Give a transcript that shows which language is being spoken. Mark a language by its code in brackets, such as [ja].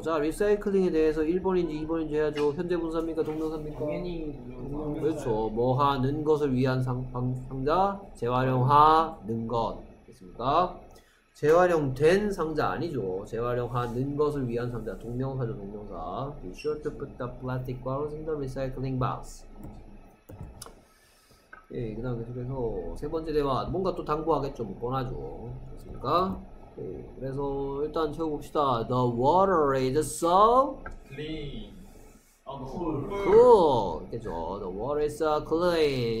[ko] 자, 리사이클링에 대해서 1번인지 2번인지 해야죠. 현재분사입니까 동명사입니까? 당연히 그렇죠. 뭐 하는 것을 위한 상자 재활용하는 것 됐습니까? 재활용된 상자 아니죠. 재활용하는 것을 위한 상자 동명사죠. 동명사. [en] You should put the plastic bottles in the recycling box. [ko] 예, 그 다음 계속해서 세 번째 대화 뭔가 또 당부하겠죠. 뻔하죠. 그렇습니까? 예, 그래서 일단 채워봅시다. [en] The water is so clean. Cool. [ko] 그죠. [en] The water is so clean.